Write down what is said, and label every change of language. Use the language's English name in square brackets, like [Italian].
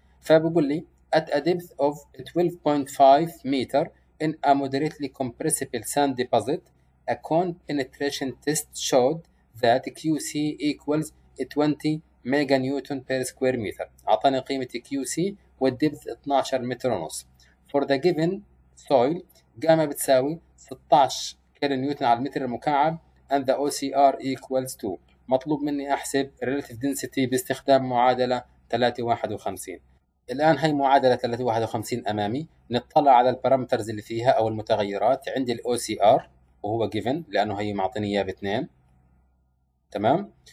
[Arabic] فبقول لي [English] At a depth of 12.5 meter in a moderately compressible sand deposit, a cone penetration test showed that QC equals 20 mega newton per square meter. [Arabic] أعطاني قيمة QC والdepth 12 متر ونص. [English] For the given soil, gamma [Arabic] بتساوي 16 كيلو نيوتن على المتر المكعب [English] and the OCR equals 2. [Arabic] مطلوب مني أحسب Relative Density باستخدام معادلة 351. الآن هاي معادلة 351 أمامي، نطلع على البارامترز اللي فيها أو المتغيرات. عندي الـ OCR وهو given لأنه هي معطيني إياه باثنين، تمام.